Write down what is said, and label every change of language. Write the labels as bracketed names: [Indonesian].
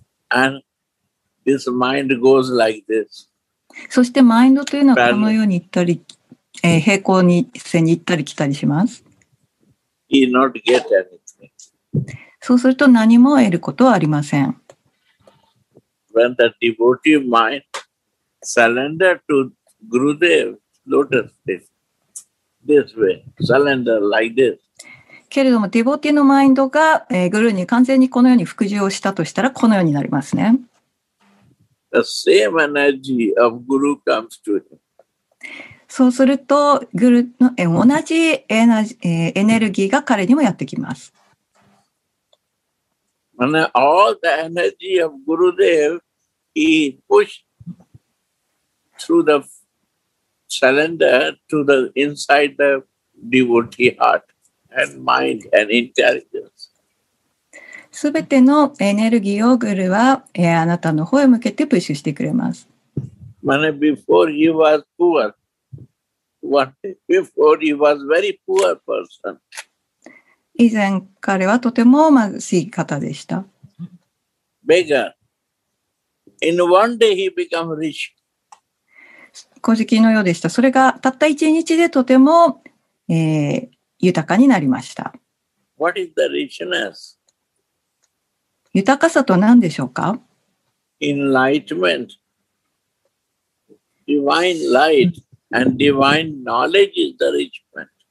[English] And. This mind goes like this. [Japanese] そしてマインドというのはこのように行ったり、平行に線に行ったり来たりします。 [English] He not get anything. [Japanese] そうすると何も得ることはありません。 [English] When the devotee mind surrender to Gurudev, lotus feet, this way, surrender like this. [Japanese] けれどもディボティのマインドが、グルに完全にこのように服従をしたとしたらこのようになりますね。 [English] The same energy of Guru comes to him. [Japanese] そうすると、グルの同じエネルギーが彼にもやってきます。 [English] And all the energy of Gurudev, he pushed through the cylinder to the inside the devotee heart and mind and intelligence. [Japanese] すべてのエネルギーをグルはあなたの方へ向けてプッシュしてくれます。 [English] Mane, before he was poor, before he was very poor person. [Japanese] 以前彼はとても貧しい方でした。 [English] Beggar. In one day he became rich. [Japanese] 乞食のようでした。それがたった一日でとても、豊かになりました。 [English] What is the richness? [Japanese] 豊かさと何でしょうか? [English] Enlightenment. Divine light and divine knowledge is the enrichment.